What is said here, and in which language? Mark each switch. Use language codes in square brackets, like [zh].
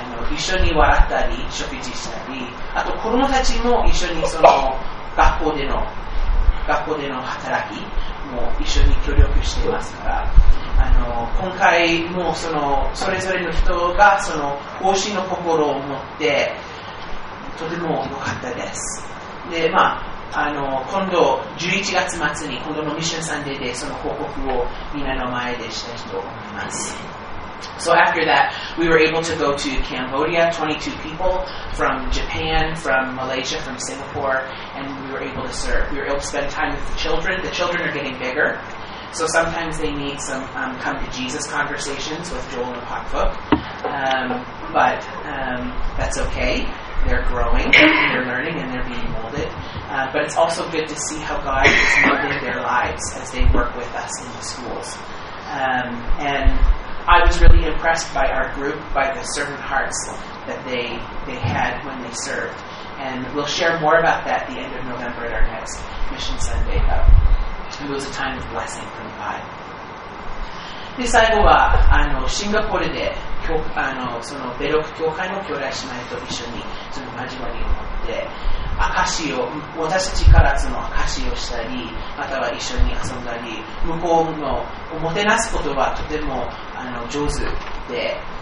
[ja] 一緒に笑ったり食事したり、あと子供たちも一緒にその学校での働きも一緒に協力していますから、今回もそれぞれの人がその奉仕の心を持ってとても良かったです。で、まあ、今度11月末に今度のミッションサンデーでその報告をみんなの前でしたいと思います。 [en] So after that, we were able to go to Cambodia, 22 people from Japan, from Malaysia, from Singapore, and we were able to serve. We were able to spend time with the children. The children are getting bigger, so sometimes they need some come to Jesus conversations with Joel and Pak Phuc. But that's okay. They're growing, they're learning, and they're being molded. But it's also good to see how God is molding their lives as they work with us in the schools. And I was really impressed by our group, by the servant hearts that they had when they served. And we'll share more about that at the end of November at our next Mission Sunday. It was a time of blessing from God. [ja] で、最後はシンガポールで教そのベロク教会の兄弟姉妹と一緒にその交わりを持って、私たちからその証しをしたり、または一緒に遊んだり、向こうのおもてなすことはとても上手で、